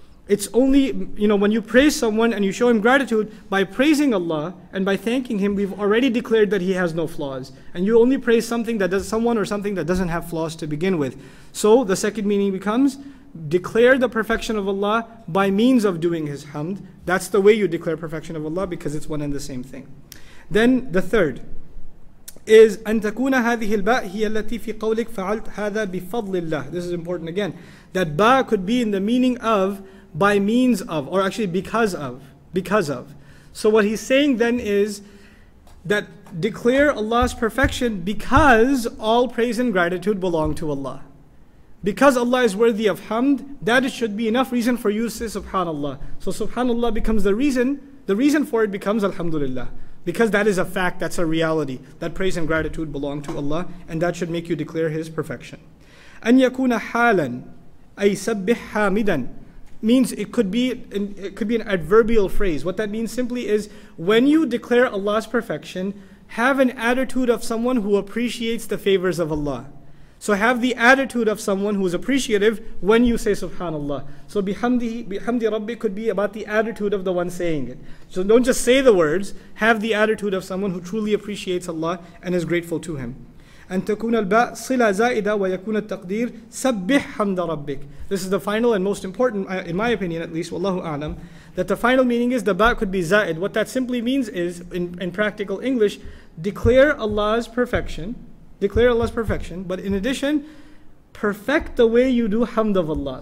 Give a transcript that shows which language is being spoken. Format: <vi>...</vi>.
<en>It's only, you know, when you praise someone and you show him gratitude, by praising Allah and by thanking Him, we've already declared that He has no flaws. And you only praise something that does, someone or something that doesn't have flaws to begin with. So the second meaning becomes, declare the perfection of Allah by means of doing His hamd. That's the way you declare perfection of Allah, because it's one and the same thing. Then the third is</en> <ar>أن تكون هذه الباء هي التي في قولك فعلت هذا بفضل الله.</ar> <en>This is important again. That ba could be in the meaning of by means of, or actually because of. So what he's saying then is that declare Allah's perfection because all praise and gratitude belong to Allah. Because Allah is worthy of hamd, that should be enough reason for you to say subhanallah. So subhanallah becomes the reason for it becomes alhamdulillah. Because that is a fact, that's a reality. That praise and gratitude belong to Allah, and that should make you declare His perfection.</en> <ar>أَنْ يَكُونَ حَالًا أَيْ سَبِّحْ حَامِدًا.</ar> <en>Means it could be an adverbial phrase. What that means simply is, when you declare Allah's perfection, have an attitude of someone who appreciates the favors of Allah. So have the attitude of someone who is appreciative when you say subhanallah. So bihamdi rabbi could be about the attitude of the one saying it. So don't just say the words, have the attitude of someone who truly appreciates Allah and is grateful to Him.</en> <ar>And تكون الباء صلة زائدة ويكون التقدير سبح حمد ربك.</ar> <en>This is the final and most important, in my opinion at least, wallahu a'lam, that the final meaning is the ba could be za'id. What that simply means is, in practical English, declare Allah's perfection. Declare Allah's perfection, but in addition, perfect the way you do hamd of Allah.</en>